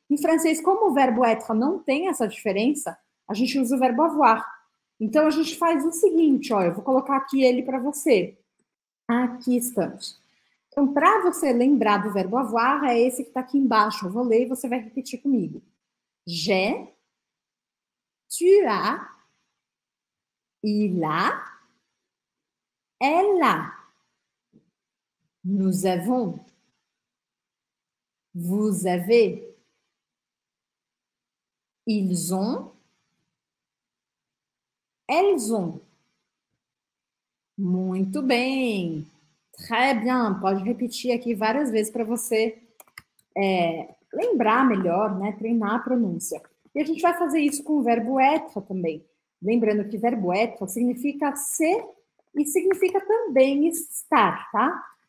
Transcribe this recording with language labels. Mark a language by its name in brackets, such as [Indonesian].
[Portuguese] Em francês, como o verbo être não tem essa diferença, a gente usa o verbo avoir. Então, a gente faz o seguinte, ó, eu vou colocar aqui ele para você. Aqui estamos. Então, para você lembrar do verbo avoir, é esse que está aqui embaixo. Eu vou ler e você vai repetir comigo. [French] J'ai, tu as, il a, elle a, nous avons, vous avez, ils ont, elles ont. [Portuguese] Muito bem, [French] très bien. [Portuguese] Pode repetir aqui várias vezes para você lembrar melhor, né? Treinar a pronúncia. E a gente vai fazer isso com o verbo être também. Lembrando que verbo être significa ser e significa também estar, tá?